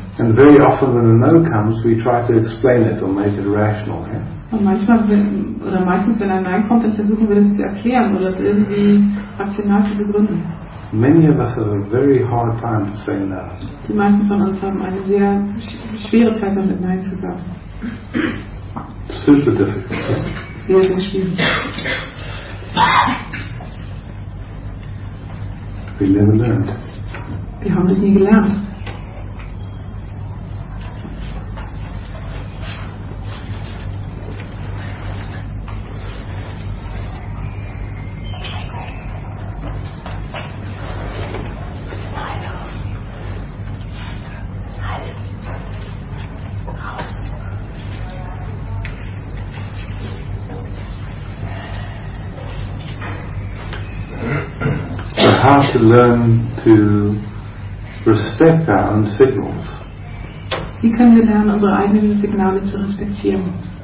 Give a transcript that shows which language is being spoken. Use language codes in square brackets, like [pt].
[en] And very often when a no comes, we try to explain it or make it rational. Yeah? [de] Und manchmal, oder meistens, wenn ein Nein kommt, dann versuchen wir das zu erklären oder es irgendwie rational zu begründen. [en] Many of us have a very hard time to say no. [de] Die meisten von uns haben eine sehr schwere Zeit damit, Nein zu sagen. [en] Super difficult. [de] Sehr, sehr schwierig. [en] We never learned. [de] Wir haben das nie gelernt. [en] How to learn to respect our own signals. [de] Wie können wir lernen, unsere eigenen Signale zu respektieren?